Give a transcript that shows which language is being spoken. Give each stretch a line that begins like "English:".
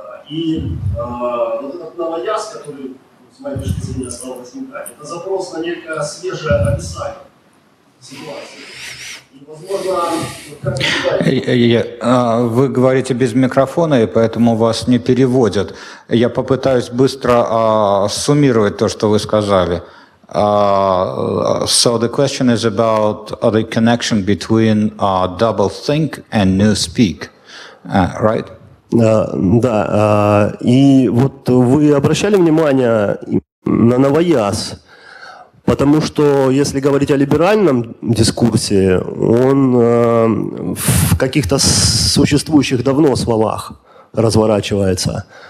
Russian: Вот этот новояз, который, с моей точки зрения, стал возникать, это запрос на некое свежее описание ситуации. Вы говорите без микрофона, и поэтому вас не переводят. Я попытаюсь быстро суммировать то, что вы сказали.
English: So the question is about the connection between double think and new speak, right?
Russian: Да. И вот вы обращали внимание на новояз. Потому что, если говорить о либеральном дискурсе, он в каких-то существующих давно словах разворачивается.